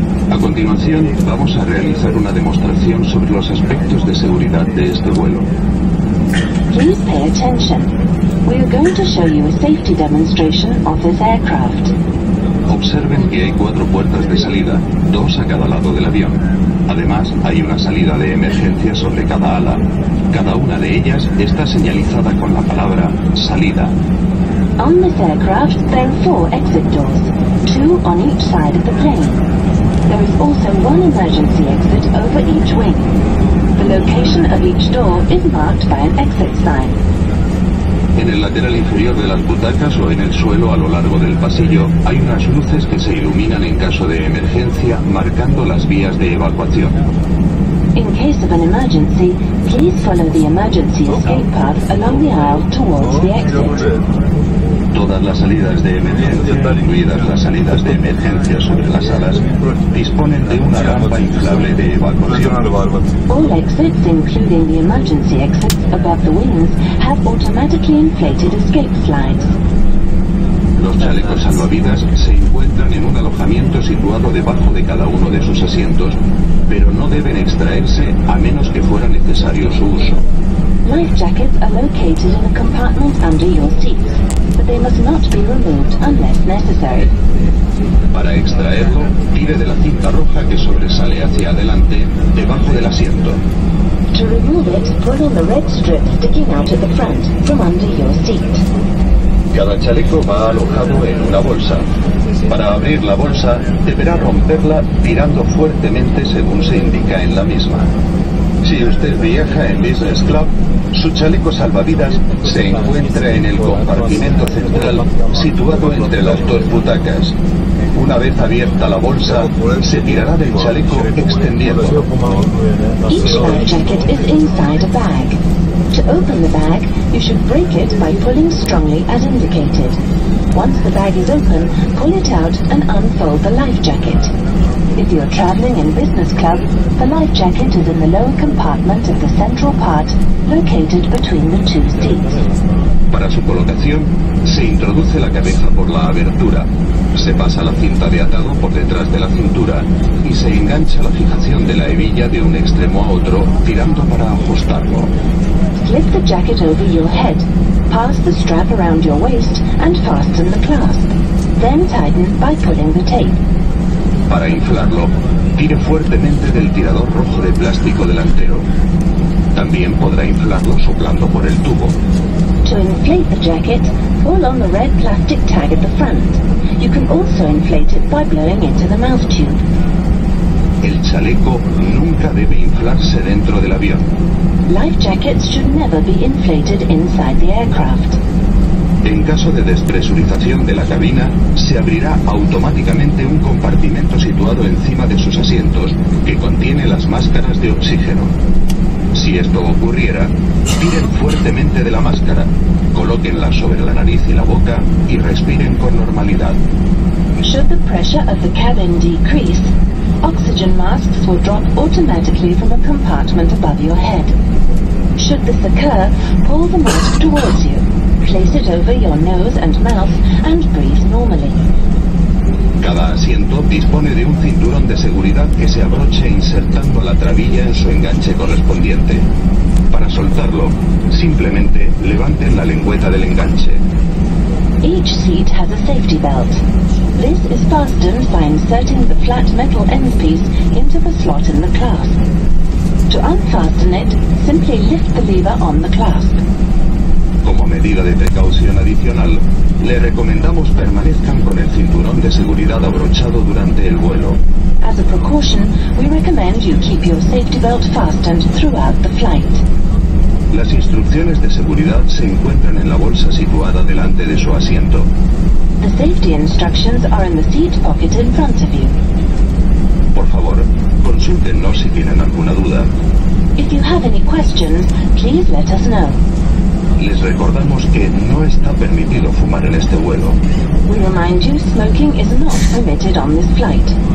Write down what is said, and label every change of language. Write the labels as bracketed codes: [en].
[es] A continuación, vamos a realizar una demostración sobre los aspectos de seguridad de este vuelo. [en] Please pay attention. We are going to show you a safety demonstration of this aircraft. [es] Observen que hay cuatro puertas de salida, dos a cada lado del avión. Además, hay una salida de emergencia sobre cada ala. Cada una de ellas está señalizada con la palabra salida. [en] On this aircraft, there are four exit doors, two on each side of the plane. There is also one emergency exit over each wing. The location of each door is marked by an exit sign. [es] En el lateral inferior de las butacas o en el suelo a lo largo del pasillo, hay unas luces que se iluminan en caso de emergencia, marcando las vías de evacuación. [en] In case of an emergency, please follow the emergency escape path along the aisle towards the exit. [es] Todas las salidas de emergencia, incluidas las salidas de emergencia sobre las alas, disponen de una rampa inflable de evacuación. [en] All exits, including the emergency exits above the wings, have automatically inflated escape slides. [es] Los chalecos salvavidas se encuentran en un alojamiento situado debajo de cada uno de sus asientos, pero no deben extraerse a menos que fuera necesario su uso. [en] Life jackets are located in a compartment under your seats, but they must not be removed unless necessary. [es] Para extraerlo, tire de la cinta roja que sobresale hacia adelante, debajo del asiento. [en] To remove it, pull on the red strip sticking out at the front, from under your seat. [es] Cada chaleco va alojado en una bolsa. Para abrir la bolsa, deberá romperla tirando fuertemente según se indica en la misma. Si usted viaja en Business Club, su chaleco salvavidas se encuentra en el compartimento central situado entre las dos butacas. Una vez abierta la bolsa, se tirará del chaleco extendiendo. [en] Each life jacket is inside a bag. To open the bag, you should break it by pulling strongly as indicated. Once the bag is open, pull it out and unfold the life jacket. If you're traveling in business class, the life jacket is in the lower compartment of the central part, located between the two seats. [es] Para su colocación, se introduce la cabeza por la abertura, se pasa la cinta de atado por detrás de la cintura y se engancha la fijación de la hebilla de un extremo a otro, tirando para ajustarlo. [en] Slip the jacket over your head, pass the strap around your waist and fasten the clasp. Then tighten by pulling the tape. [es] Para inflarlo, tire fuertemente del tirador rojo de plástico delantero. También podrá inflarlo soplando por el tubo. [en] To inflate the jacket, pull on the red plastic tag at the front. You can also inflate it by blowing into the mouth tube. [es] El chaleco nunca debe inflarse dentro del avión. [en] Life jackets should never be inflated inside the aircraft. [es] En caso de despresurización de la cabina, se abrirá automáticamente un compartimento situado encima de sus asientos que contiene las máscaras de oxígeno. Si esto ocurriera, tiren fuertemente de la máscara, colóquenla sobre la nariz y la boca y respiren con normalidad. [en] Should the pressure of the cabin decrease, oxygen masks will drop automatically from a compartment above your head. Should this occur, pull the mask towards you, place it over your nose and mouth, and breathe normally. [es] Cada asiento dispone de un cinturón de seguridad que se abroche insertando la trabilla en su enganche correspondiente. Para soltarlo, simplemente levanten la lengüeta del enganche. [en] Each seat has a safety belt. This is fastened by inserting the flat metal end piece into the slot in the clasp. To unfasten it, simply lift the lever on the clasp. [es] Como medida de precaución adicional, le recomendamos permanezcan con el cinturón de seguridad abrochado durante el vuelo. [en] As a precaution, we recommend you keep your safety belt fastened throughout the flight. [es] Las instrucciones de seguridad se encuentran en la bolsa situada delante de su asiento. [en] The safety instructions are in the seat pocket in front of you. [es] Por favor, consúltenos si tienen alguna duda. [en] If you have any questions, please let us know. [es] Les recordamos que no está permitido fumar en este vuelo. [en] We remind you smoking is not permitted on this flight.